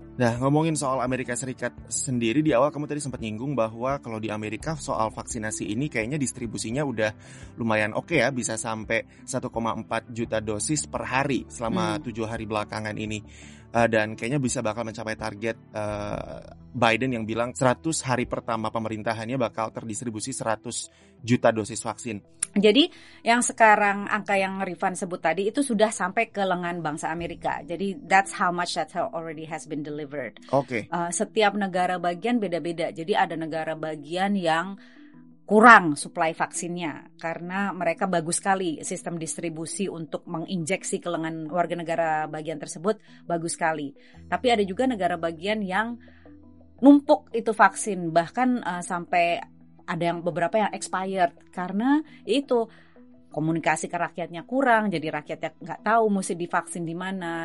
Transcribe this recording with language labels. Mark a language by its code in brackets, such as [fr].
[id] Nah, ngomongin soal Amerika Serikat sendiri, di awal kamu tadi sempat nyinggung bahwa kalau di Amerika soal vaksinasi ini kayaknya distribusinya udah lumayan oke ya, bisa sampai 1,4 juta dosis per hari selama 7 hari belakangan ini. Dan kayaknya bisa bakal mencapai target Biden yang bilang 100 hari pertama pemerintahannya bakal terdistribusi 100 juta dosis vaksin. Jadi yang sekarang angka yang Rifan sebut tadi itu sudah sampai ke lengan bangsa Amerika. Jadi [en] that's how much that already has been delivered. Okay. [id] Setiap negara bagian beda-beda. Jadi ada negara bagian yang kurang supply vaksinnya karena mereka bagus sekali sistem distribusi untuk menginjeksi ke lengan warga negara bagian tersebut, bagus sekali. Tapi ada juga negara bagian yang numpuk itu vaksin, bahkan sampai ada yang beberapa yang expired karena itu komunikasi ke rakyatnya kurang, jadi rakyatnya nggak tahu mesti divaksin di mana.